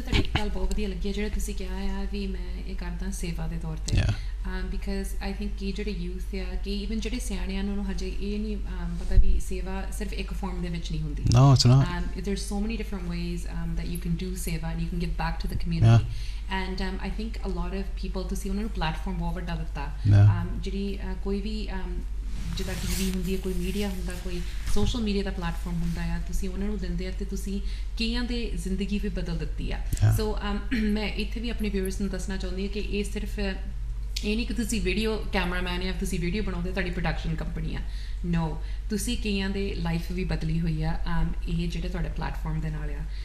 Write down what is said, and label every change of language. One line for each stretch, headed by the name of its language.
English: Because I think
Punjabi: ਕਿ ਜਿਹੜੇ youth ਆ, ਕਿ ਈਵਨ ਜਿਹੜੇ ਸਿਆਣੇ ਆ, ਉਹਨੂੰ ਹਜੇ ਇਹ ਨਹੀਂ ਪਤਾ ਵੀ ਸੇਵਾ ਸਿਰਫ ਇੱਕ ਫੋਰਮ ਦੇ ਵਿੱਚ ਨਹੀਂ ਹੁੰਦੀ.
English: No, it's not. There's so many different ways that you can do seva and you can give back to the community. Yeah. And I think a lot of people,
Punjabi: ਤੁਸੀਂ ਉਹਨਾਂ ਨੂੰ ਪਲੈਟਫਾਰਮ ਬਹੁਤ ਵੱਡਾ ਦਿੱਤਾ, ਜਿਹੜੀ ਕੋਈ ਵੀ ਜਿੱਦਾਂ ਟੀ ਵੀ ਹੁੰਦੀ ਹੈ, ਕੋਈ ਮੀਡੀਆ ਹੁੰਦਾ, ਕੋਈ ਸੋਸ਼ਲ ਮੀਡੀਆ ਦਾ ਪਲੈਟਫਾਰਮ ਹੁੰਦਾ ਆ, ਤੁਸੀਂ ਉਹਨਾਂ ਨੂੰ ਦਿੰਦੇ ਆ ਅਤੇ ਤੁਸੀਂ ਕਈਆਂ ਦੇ ਜ਼ਿੰਦਗੀ ਵੀ ਬਦਲ ਦਿੱਤੀ ਆ। ਸੋ ਮੈਂ ਇੱਥੇ ਵੀ ਆਪਣੇ ਵਿਊਅਰਸ ਨੂੰ ਦੱਸਣਾ ਚਾਹੁੰਦੀ ਹਾਂ ਕਿ ਇਹ ਸਿਰਫ ਇਹ ਨਹੀਂ ਕਿ ਤੁਸੀਂ ਵੀਡੀਓ ਕੈਮਰਾਮੈਨ ਆ, ਤੁਸੀਂ ਵੀਡੀਓ ਬਣਾਉਂਦੇ, ਤੁਹਾਡੀ ਪ੍ਰੋਡਕਸ਼ਨ ਕੰਪਨੀ ਆ, ਨੋ, ਤੁਸੀਂ ਕਈਆਂ ਦੇ ਲਾਈਫ ਵੀ ਬਦਲੀ ਹੋਈ ਆ ਇਹ ਜਿਹੜੇ ਤੁਹਾਡੇ ਪਲੈਟਫਾਰਮ ਦੇ ਨਾਲ ਆ।